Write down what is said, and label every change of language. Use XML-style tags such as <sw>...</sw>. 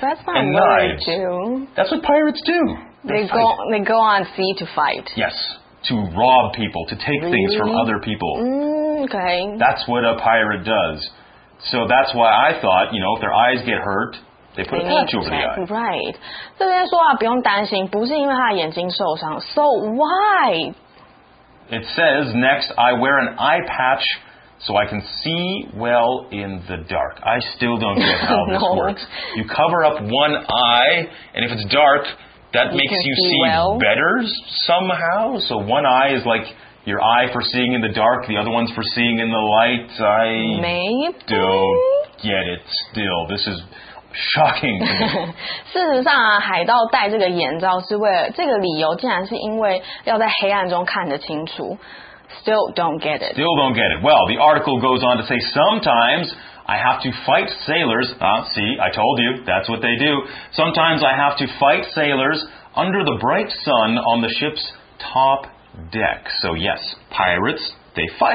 <en>That's not what they do. That's what pirates do. They go on sea to fight. Yes. To rob people, to take things from other people. Okay. That's what a pirate does. So that's why I thought, you know, if their eyes get hurt, they put a patch over the eye. Right.</en> <zh>这边说啊，不用担心，不是因为他眼睛受伤。</zh> <en>So why? It says, next, I wear an eye patch so I can see well in the dark. I still don't get how this works. You cover up one eye, and if it's dark... That makes you see better somehow. So one eye is like your eye for seeing in the dark. The other one's for seeing in the light. I don't get it still. This is shocking.</en> <zh>事实上啊，海盗戴这个眼罩是为了这个理由，竟然是因为要在黑暗中看得清楚。</zh> <en>Still don't get it. Still don't get it. Well, the article goes on to say sometimes... I have to fight sailors. See, I told you, that's what they do. Sometimes I have to fight sailors under the bright sun on the ship's top deck. So yes, pirates, they fight.</en>